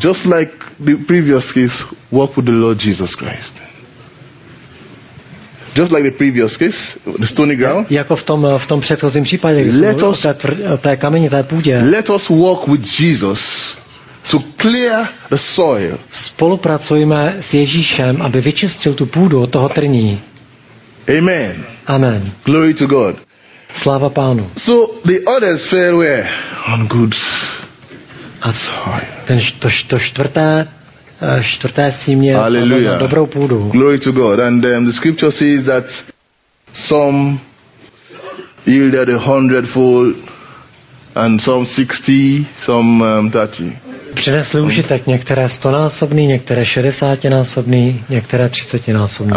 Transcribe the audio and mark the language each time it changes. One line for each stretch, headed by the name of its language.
English: Just like the previous case, walk with the Lord Jesus Christ. Just like the previous case, the stony ground.
Czech: Jako v tom předchozím případě, té kameni, té půdě.
English: Let us walk with Jesus to clear the soil.
Czech: Spolupracujeme s Ježíšem, aby vyčistil tu půdu od toho trní.
English: Amen. Amen. Glory to God.
Czech: Sláva Pánu.
English: So the others fell where? On good soil.
Czech: To čtvrté. Čtvrté símě na dobrou půdu.
English: Glory to God. And the scripture says that some yielded 100-fold and some 60, some 30.
Czech: Přinesli užitek, některé 100-násobný, některé 60-násobný, některé 30-násobný.